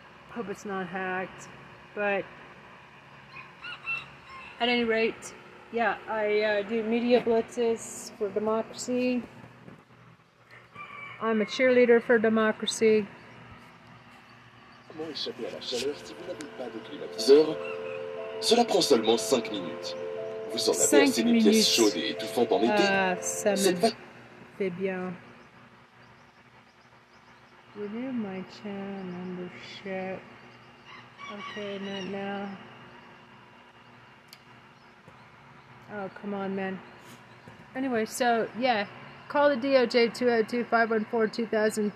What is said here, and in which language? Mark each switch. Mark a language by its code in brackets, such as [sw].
[en] Hope it's not hacked, but. At any rate, I do media blitzes for democracy. I'm a cheerleader for democracy. [fr] Comment échapper à la chaleur si vous n'habitez pas de climatiseur? Cela prend seulement 5 minutes. Vous en avez assez des pièces chaudes et étouffantes en été? Ça me fait bien. [en] Renew my channel membership. Okay, not now. Oh, come on, man. Anyway, so, yeah. Call the DOJ 202-514-2000.